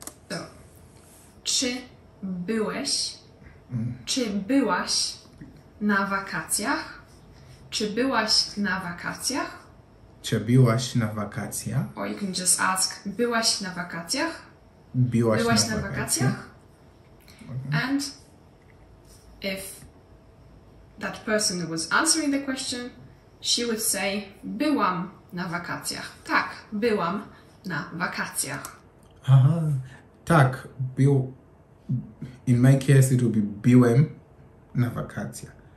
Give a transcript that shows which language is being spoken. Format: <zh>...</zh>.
<pl>So, czy byłaś na wakacjach? Czy byłaś na wakacjach? Czy byłaś na wakacjach?</pl> <en>Or you can just ask,</en> <pl>byłaś na wakacjach? Byłaś na wakacjach? Mm-hmm.</pl> <en>And if that person was answering the question, she would say,</en> <pl>byłam na wakacjach. Tak, byłam na wakacjach. Aha, tak,</pl> <en>in my case it would be</en> <pl>byłem na wakacjach.</pl>